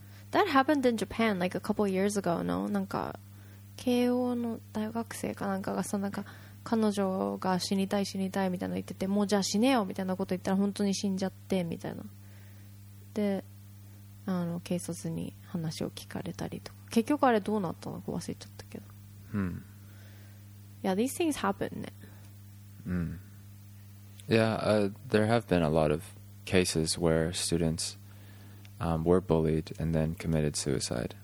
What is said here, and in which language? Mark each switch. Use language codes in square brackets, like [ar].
[en] That happened in Japan like a couple years ago, no? [ja] なんか、慶応の大学生かなんかがさ、なんか、彼女が死にたいみたいなの言ってて、もうじゃあ死ねよみたいなこと言ったら本当に死んじゃってみたいな。で、あの警察に話を聞かれたりとか。結局あれどうなったのか忘れちゃったけど。 [en] Yeah, these things happen. Yeah, there have been a lot of cases where students were bullied and then committed suicide.